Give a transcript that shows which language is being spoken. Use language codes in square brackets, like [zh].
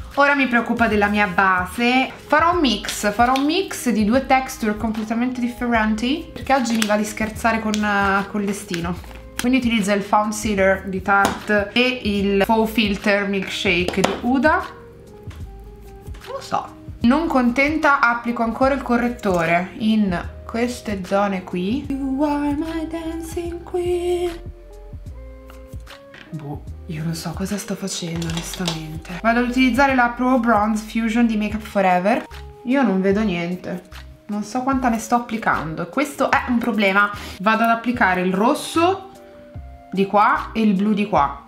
[it] Ora mi preoccupa della mia base. Farò un mix di due texture completamente differenti, perché oggi mi va di scherzare con il destino. Quindi utilizzo il Foundsealer di Tarte e il Faux Filter Milkshake di Huda. Non lo so. Non contenta, applico ancora il correttore in queste zone qui. [en] You are my dancing queen. [it] Boh, io non so cosa sto facendo onestamente. Vado ad utilizzare la Pro Bronze Fusion di Makeup Forever. Io non vedo niente. Non so quanta ne sto applicando. Questo è un problema. Vado ad applicare il rosso di qua e il blu di qua.